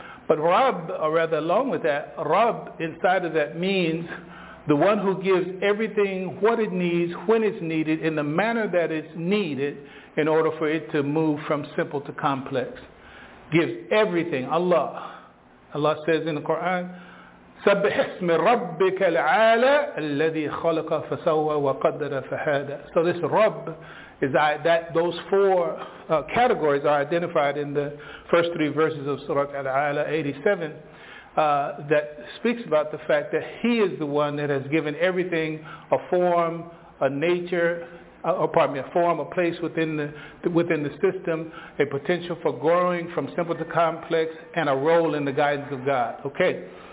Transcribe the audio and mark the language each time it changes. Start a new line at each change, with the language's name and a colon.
English: But Rabb, or rather along with that, Rabb inside of that means the one who gives everything what it needs, when it's needed, in the manner that it's needed in order for it to move from simple to complex. Gives everything, Allah. Allah says in the Quran,
Arabic: سَبِّحِ اسْمِ رَبِّكَ الْعَالَى الَّذِي خَلَقَ فَسَوَّى وَقَدَّرَ فَهَادَى.
English: So this Rabb, those four categories are identified in the first three verses of Surah Al-A'la 87, that speaks about the fact that he is the one that has given everything a form, a nature, a place within the system, a potential for growing from simple to complex, and a role in the guidance of God. Okay.